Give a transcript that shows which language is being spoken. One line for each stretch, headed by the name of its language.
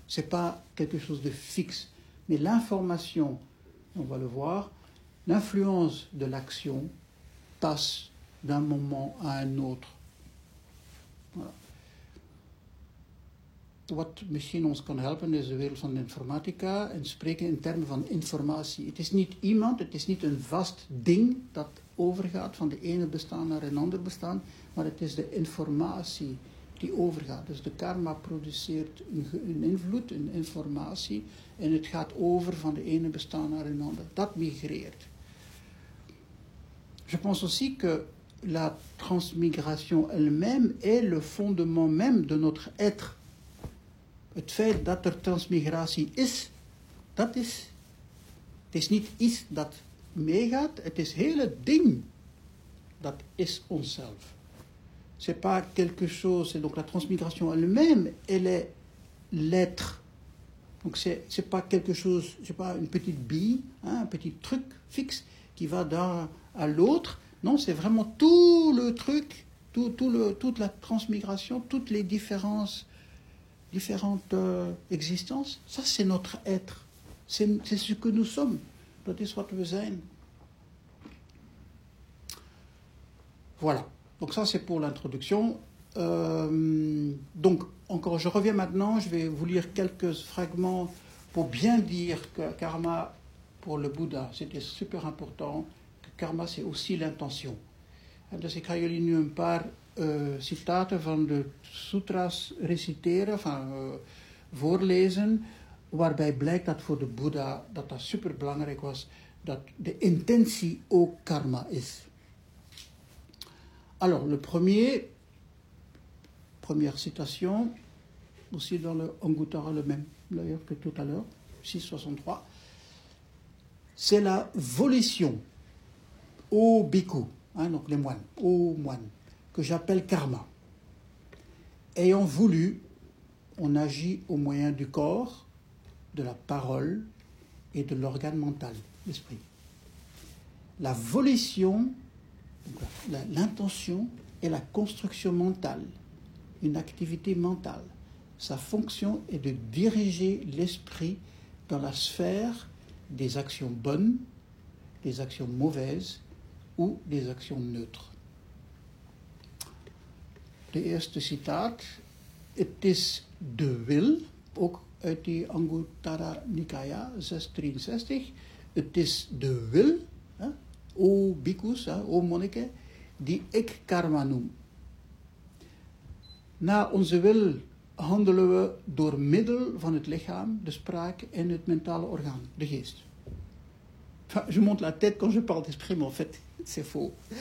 French: Ce n'est pas quelque chose de fixe. Mais l'information, on va le voir, l'influence de l'action passe d'un moment à un autre.
Dutch: Wat misschien ons kan helpen is de wereld van de informatica en spreken in termen van informatie. Het is niet iemand, het is niet een vast ding dat overgaat van de ene bestaan naar een ander bestaan, maar het is de informatie die overgaat. Dus de karma produceert een invloed, een informatie, en het gaat over van de ene bestaan naar een ander. Dat migreert.
French: Je pense aussi que la transmigration elle-même est le fondement même de notre être.
Dutch: Het feit dat er transmigratie is, dat is. Het is niet iets dat meegaat, het is hele ding. Dat is onszelf.
French: C'est pas quelque chose. Et donc la transmigration elle-même, elle est l'être. Donc c'est pas quelque chose, c'est pas une petite bille, hein, un petit truc fixe qui va d'un à l'autre. Non, c'est vraiment tout le truc, toute la transmigration, toutes les différences. Différentes existences, ça c'est notre être, c'est ce que nous sommes,
Dutch: dat is wat we zijn.
French: Voilà, donc ça c'est pour l'introduction. Donc encore, je reviens maintenant, je vais vous lire quelques fragments pour bien dire que karma pour le Bouddha c'était super important, que karma c'est aussi l'intention.
Dutch: En dus ik ga jullie nu een paar citaten van de sutras reciteren, van voorlezen, waarbij blijkt dat voor de Boeddha dat superbelangrijk was, dat de intentie ook karma is.
French: Alors, le premier, première citation, aussi dans le Anguttara le même, d'ailleurs que tout à l'heure, 663, c'est la volition au bhikkhu, hein, donc les moines, au moine, que j'appelle karma. Ayant voulu, on agit au moyen du corps, de la parole et de l'organe mental, l'esprit. La volition, l'intention est la construction mentale, une activité mentale. Sa fonction est de diriger l'esprit dans la sphère des actions bonnes, des actions mauvaises ou des actions neutres.
Dutch: De eerste citaat, het is de wil, ook uit die Anguttara Nikaya 663, het is de wil, hè, o bhikkhus, o monnike, die ik karma noem. Na onze wil handelen we door middel van het lichaam, de spraak en het mentale orgaan, de geest.
French: Enfin, je monte la tête quand je parle d'esprit, mais en fait, c'est faux.